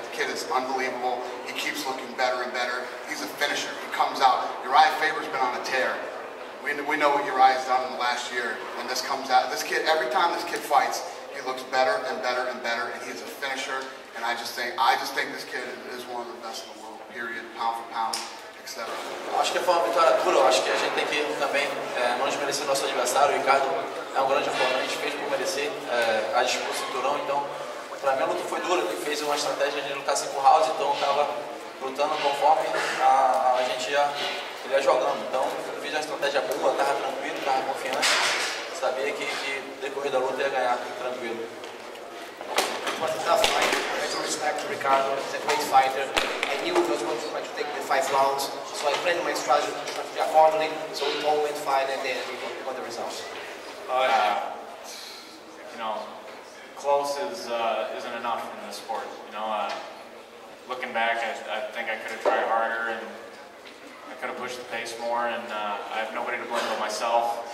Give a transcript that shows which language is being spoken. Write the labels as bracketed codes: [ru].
[en] The kid is unbelievable. He keeps looking better and better. He's a finisher. He comes out. Uriah Faber's been on a tear. We know what Uriah's done in the last year, and this comes out. This kid, every time this kid fights, he looks better and better and better, and he's a finisher. And I just think this kid is one of the best in the world. Period. Pound for pound, etc. [pt] Acho que foi uma vitória dura. Acho que a gente tem que também não desmerecer nosso adversário. O Ricardo é um grande fã. A gente fez por merecer a disputa do cinturão. Então, para mim, a luta foi dura. Ele fez uma estratégia de lutar 5 rounds, então estava lutando conforme a gente ia. Ele ia jogando, então eu fiz uma estratégia boa, estava tranquilo, estava confiante, sabia que decorrer da luta ia ganhar tranquilo. Foi uma [en] tough fight. [pt] Muito respeito ao Ricardo, ele é um grande fighter. Eu sabia que ele ia tentar tomar 5 rounds, então eu planejei minha estratégia acordando, então tudo foi bem e depois eu tive os resultados. [en] Close isn't enough in this sport. Looking back, I think I could have tried harder and I could have pushed the pace more, and I have nobody to blame but myself.